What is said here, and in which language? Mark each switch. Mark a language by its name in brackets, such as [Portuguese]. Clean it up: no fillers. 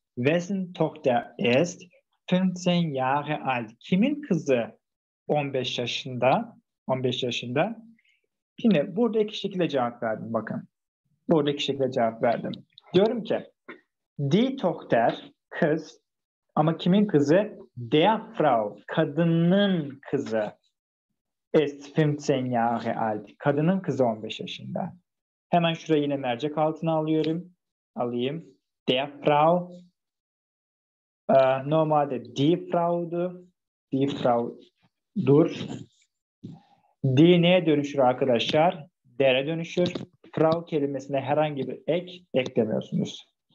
[German] Wessen Tochter ist 15 Jahre alt. [Turkish] Kimin kızı 15 yaşında? 15 yaşında. Yine burada iki şekilde cevap verdim bakın. Burada iki şekilde cevap verdim. Diyorum ki [German] Die Tochter [Turkish] kız ama kimin kızı? [German] Der Frau [Turkish] kadının kızı [German] ist 15 Jahre alt. [Turkish] Kadının kızı 15 yaşında. Hemen şurayı yine mercek altına alayım. [German] Der Frau. [Turkish] Normalde die Frau'du. Die Frau'dur. Die neye dönüşür arkadaşlar? Der'e dönüşür. Frau kelimesine herhangi bir ek eklemiyorsunuz.